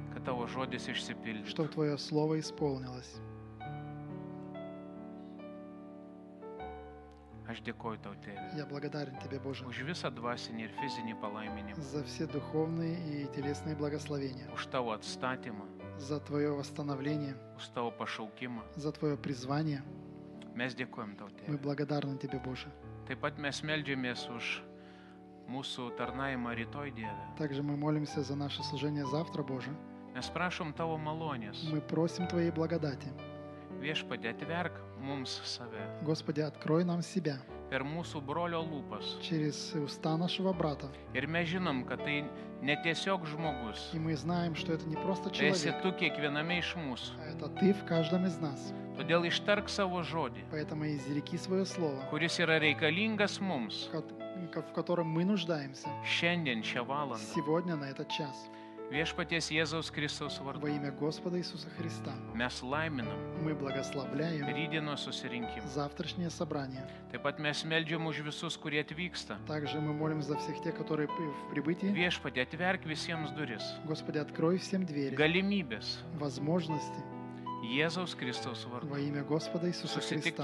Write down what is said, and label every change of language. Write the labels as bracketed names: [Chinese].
[Lithuanian] kad tavo žodis išsipildys, [Russian] štau tvojo slovo įspolnilas. [Lithuanian] Aš dėkoju tau, Tėvė. [Russian] Я благодарен тебе, Боже. [Lithuanian] Už visą dvasinį ir fizinį palaiminimą. [Russian] За все духовные и телесные благословения. [Lithuanian] Už tavo atstatymą. [Russian] За твоё восстановление. [Lithuanian] Už tavo pašaukimą. [Russian] За твоё призвание. [Lithuanian] Mes dėkojam tau, Tėvė. [Russian] Мы благодарны тебе, Боже. [Lithuanian] Taip pat mes meldžiamės už mūsų tarnavimą rytoj, Dieve. [Russian] Также мы молимся за наше служение завтра, Боже. [Lithuanian] Mes prašom tavo malonės. [Russian] Мы просим твоей благодати. [Lithuanian] Viešpatie, atverk mums save. [Russian] Господи, открой нам себя. [Lithuanian] Per mūsų brolio lūpas. [Russian] Через уста нашего брата. [Lithuanian] Ir mes žinom, kad tai ne tiesiog žmogus. [Russian] И мы знаем, что это не просто человек. [Lithuanian] Esi tu kiekviename iš mūsų. [Russian] Это ты в каждом из нас. [Lithuanian] Todėl ištark savo žodį. [Russian] Поэтому изреки своё слово. [Lithuanian] Kuris yra reikalingas mums. [Russian] В котором мы нуждаемся. [Lithuanian] Šiandien, šią valandą. [Russian] Сегодня, на этот час. [Lithuanian] Viešpaties Jėzaus Kristaus vardu. [Russian] Во имя Господа Иисуса Христа. [Lithuanian] Mes laiminam. [Russian] Мы благословляем. [Lithuanian] Рідино susirinkimą. [Russian] Завтрашнее собрание. [Lithuanian] Taip pat mes meldžiam už visus, kurie atvyksta. [Russian] Также мы молим за всех тех, которые в прибытии. [Lithuanian] Viešpatie, atverk visiems duris. [Russian] Господи, открой всем двери. [Lithuanian] Galimybės. [Russian] Возможности. [Lithuanian] Jėzaus Kristaus vardu. [Russian] Во имя Господа Иисуса Христа.